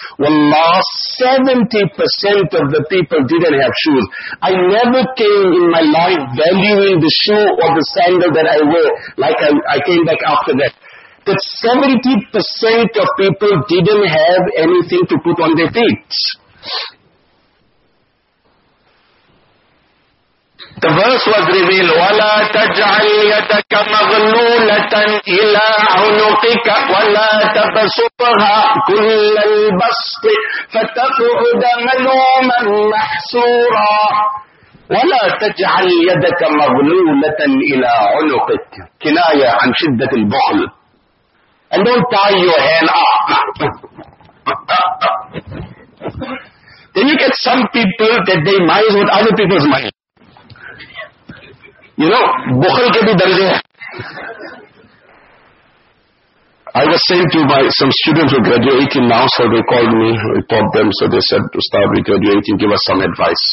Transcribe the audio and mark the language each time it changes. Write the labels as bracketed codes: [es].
[en] Wallah, 70% of the people didn't have shoes. I never came in my life valuing the shoe or the sandal that I wore like I came back after that. That 70% of people didn't have anything to put on their feet. The verse was revealed, [ar] وَلَا تَجْعَلْ يَدَكَ مَغْلُولَةً إِلَىٰ عُنُقِكَ وَلَا تَبَسُطْهَا كُلَّ الْبَسْطِ فَتَقْعُدَ مَلُومًا مَحْسُورًا وَلَا تَجْعَلْ يَدَكَ مَغْلُولَةً إِلَىٰ عُنُقِكَ كناية عن شدة البخل. [en] And don't tie your hand up. Then you get some people that they mind with other people's mind. You know, [ur] bukhal ke bhi darje hai. [en] I was saying to some students who are graduating now, so they called me, I taught them, so they said, Ustad, we're graduating, give us some advice.